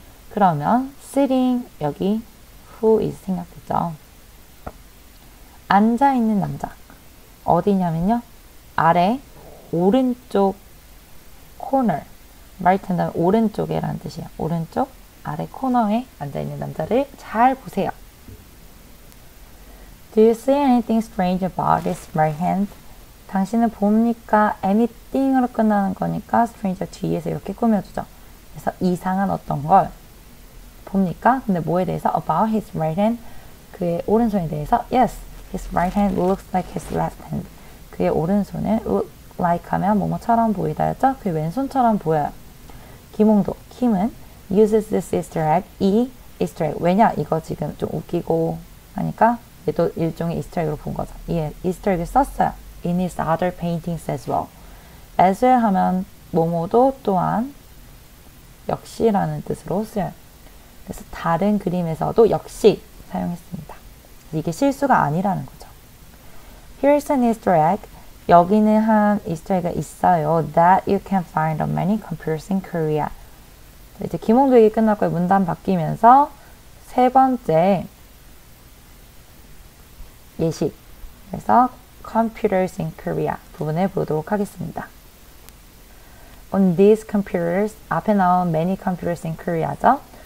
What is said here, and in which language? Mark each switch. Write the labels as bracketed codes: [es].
[ko] 그러면 [en] sitting [ko] 여기 [en] who is [ko] 생각되죠? 앉아있는 남자 어디냐면요. 아래 오른쪽 [en] corner right hand [ko] 오른쪽에 라는 뜻이에요. 오른쪽 아래 코너에 앉아있는 남자를 잘 보세요. [en] Do you see anything strange about his right hand? [ko] 당신은 봅니까? anything으로 끝나는 거니까 strange 뒤에서 이렇게 꾸며주죠. 그래서 이상한 어떤 걸 봅니까? 근데 뭐에 대해서? [en] about his right hand? [ko] 그의 오른손에 대해서? [en] yes, his right hand looks like his left hand. [ko] 그의 오른손은 look like 하면 뭐뭐처럼 보이다였죠? 그의 왼손처럼 보여요. 김홍도, 김은 [en] uses this Easter egg, [ko] 이 Easter egg. 왜냐? 이거 지금 좀 웃기고 하니까 얘도 일종의 이스터에그로 본 거죠. 이 이스터에그 썼어요. [en] In his other paintings as well. [ko] As well 하면 모모도 또한 역시라는 뜻으로 쓰여요. 그래서 다른 그림에서도 역시 사용했습니다. 이게 실수가 아니라는 거죠. [en] Here's an Easter egg. [ko] 여기는 한 이스터에그가 있어요. [en] That you can find on many computers in Korea. [ko] 이제 김홍도 얘기 끝났고요. 문단 바뀌면서 세 번째 예시. 그래서 computers in Korea 부분을 보도록 하겠습니다. [en] On these computers, [ko] 앞에 나온 [en] many computers in Korea죠.